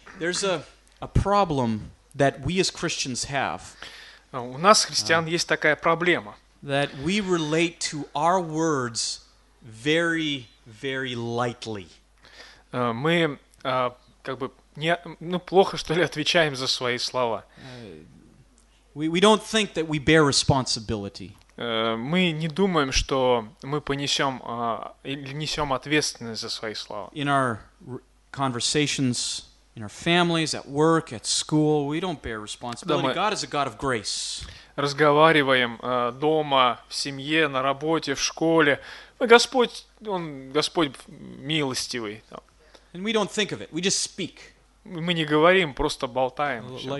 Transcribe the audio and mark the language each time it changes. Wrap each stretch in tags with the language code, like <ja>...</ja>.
<en>There's a problem that we as Christians have.</en> <ru>У нас, христиан, есть такая проблема.</ru> <en>That we relate to our words very, very lightly.</en> <ru>Мы как бы не, ну, плохо, что ли, отвечаем за свои слова.</ru> <en>We don't think that we bear responsibility.</en> <ru>Мы не думаем, что мы понесем или несем ответственность за свои слова.</ru> <en>In our conversations, in our families, at work, at school, we don't bear responsibility. God is a God of grace.</en> <ru>Разговариваем дома, в семье, на работе, в школе. Господь, Он Господь милостивый.</ru> <en>And we don't think of it. We just speak.</en> <ru>Мы не говорим, просто болтаем.</ru>